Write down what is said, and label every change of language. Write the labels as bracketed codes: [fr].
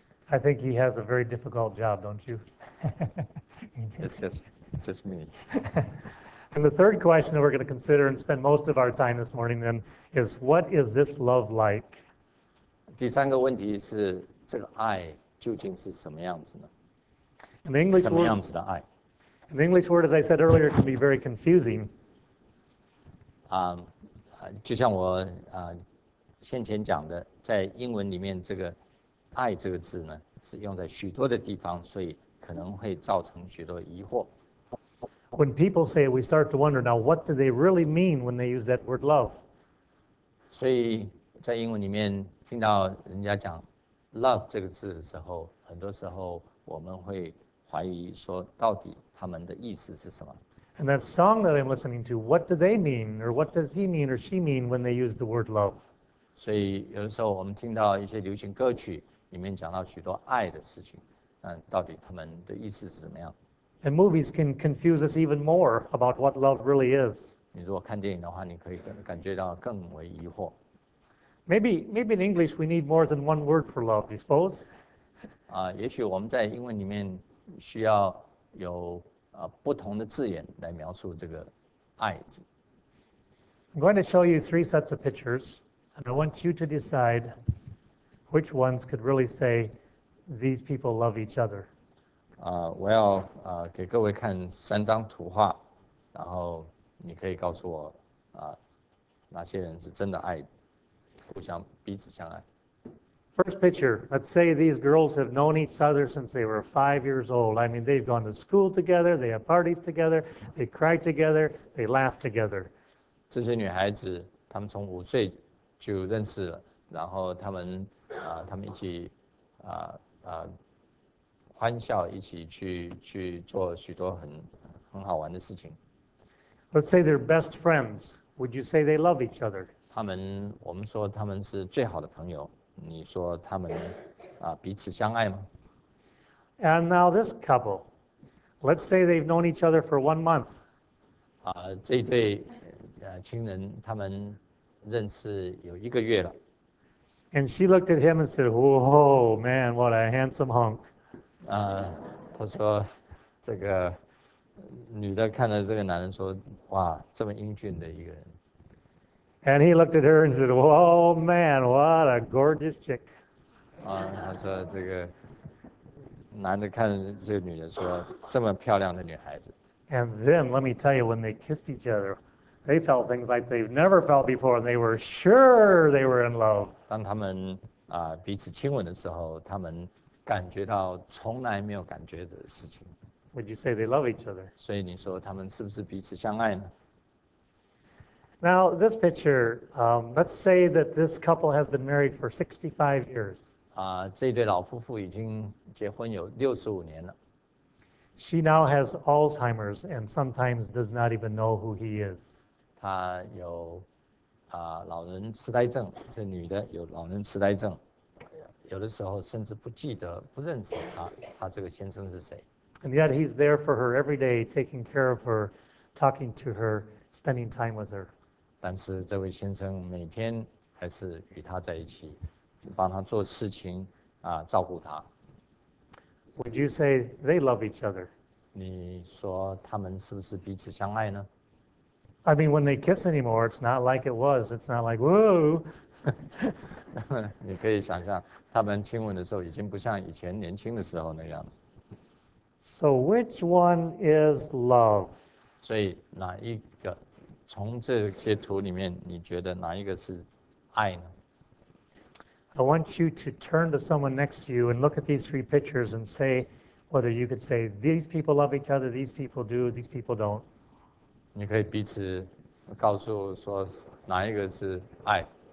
[en] I think he has a very difficult job, don't you? It's just me. And the third question that we're going to consider and spend most of our time this morning then is, what is this love like? [zh] 第三个问题是，这个爱究竟是什么样子呢？ [en] An English word, [zh] 什么样子的爱？ [en] An English word, as I said earlier, can be very confusing. [zh] 就像我先前讲的，在英文里面这个爱这个字呢，是用在许多的地方，所以可能会造成许多疑惑。 [en] When people say it, we start to wonder now, what do they really mean when they use that word love? [zh] 所以在英文里面听到人家讲 love 这个字的时候，很多时候我们会怀疑说，到底他们的意思是什么？ [en] And that song that I'm listening to, what do they mean, or what does he mean or she mean when they use the word love? [zh] 所以有的时候我们听到一些流行歌曲，里面讲到许多爱的事情，那到底他们的意思是怎么样？ [en] And movies can confuse us even more about what love really is. [zh] 你如果看电影的话，你可以感觉到更为疑惑。 [en] Maybe in English we need more than one word for love, you suppose? [zh] 也许我们在英文里面需要有不同的字眼来描述这个爱。 [en] I'm going to show you three sets of pictures, and I want you to decide which ones could really say these people love each other. [zh] 我要给各位看三张图画，然后你可以告诉我哪些人是真的爱，互相彼此相爱。 [en] First picture, let's say these girls have known each other since they were 5 years old. I mean, they've gone to school together, they have parties together, they cry together, they laugh together. [zh] 这些女孩子，她们从五岁就认识了，然后她们他们一起欢笑，一起去做许多很好玩的事情。 [en] Let's say they're best friends. Would you say they love each other? [zh] 我们说他们是最好的朋友，你说他们彼此相爱吗？ [en] And now this couple. Let's say they've known each other for 1 month. [zh] 这一对情人，他们认识有一个月了。 [en] And she looked at him and said, "Whoa, man, what a handsome hunk." [zh] 她说，这个女的看着这个男人说，哇，这么英俊的一个人。 [en] And he looked at her and said, "Whoa, man, what a gorgeous chick." [zh] 她说这个男的看着这个女的说，这么漂亮的女孩子。 [en] And then, let me tell you, when they kissed each other, they felt things like they've never felt before, and they were sure they were in love. [zh] 当他们彼此亲吻的时候，他们感觉到从来没有感觉的事情。 [en] Would you say they love each other? [zh] 所以你说他们是不是彼此相爱呢？ [en] Now, this picture, let's say that this couple has been married for 65 years. [zh] 这对老夫妇已经结婚有65年了。 [en] She now has Alzheimer's and sometimes does not even know who he is. [zh] 她有老人痴呆症，这女的有老人痴呆症，有的时候甚至不记得，不认识她这个先生是谁。 [en] And yet he's there for her every day, taking care of her, talking to her, spending time with her. [zh] 但是这位先生每天还是与她在一起，帮她做事情照顾她。 [en] Would you say they love each other? [zh] 你说他们是不是彼此相爱呢？ [en] I mean, when they kiss anymore, it's not like it was. It's not like, whoa! [zh] 你可以想象，他们亲吻的时候已经不像以前年轻的时候那样子。 [en] So which one is love? [zh] 所以哪一个，从这些图里面，你觉得哪一个是爱呢？ [en] I want you to turn to someone next to you and look at these three pictures and say whether you could say these people love each other, these people do, these people don't. [zh] 你可以彼此告诉说哪一个是爱。